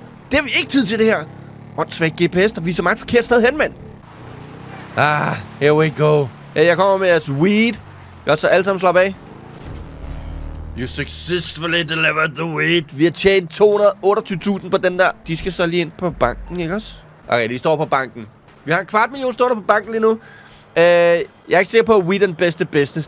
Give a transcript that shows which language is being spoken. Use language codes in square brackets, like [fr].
[da] Det har vi ikke tid til, det her. Åndssvagt GPS, der viser mig et forkert sted hen, mand. [en] Ah, here we go. [da] Jeg kommer med jeres weed. Jeg så alle sammen slappe af. [en] You successfully delivered the weed. [da] Vi har tjent 228.000 på den der. De skal så lige ind på banken, ikke også? Okay, de står på banken. Vi har 250.000 stående på banken lige nu. Jeg er ikke sikker på, at weed er den bedste business.